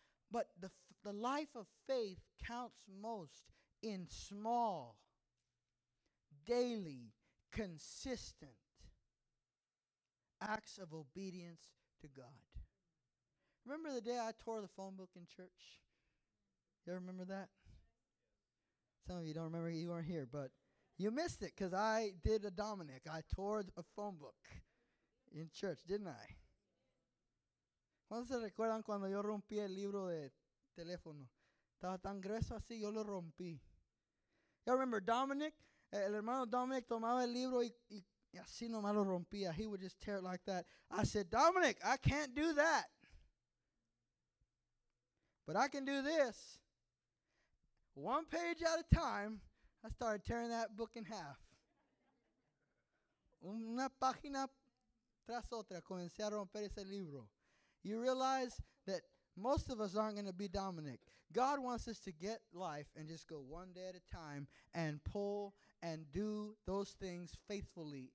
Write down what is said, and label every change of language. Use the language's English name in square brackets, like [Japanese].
[English] But the life of faith counts most in small, daily, consistent acts of obedience to God. Remember the day I tore the phone book in church? You remember that? Some of you don't remember, you weren't here, but you missed it because I did a Dominic. I tore a phone book in church, didn't I? [Spanish] ¿Cuándo se recuerdan cuando yo rompí el libro de teléfono? Estaba tan grueso así, yo lo rompí. [English] Y'all remember Dominic? [Spanish] El hermano Dominic tomaba el libro y así nomás lo rompía. [English] He would just tear it like that. I said, Dominic, I can't do that. But I can do this. One page at a time, I started tearing that book in half. [Spanish] Una página tras otra, comencé a romper ese libro. [English] You realize that most of us aren't going to be Dominic. God wants us to get life and just go one day at a time and pull and do those things faithfully.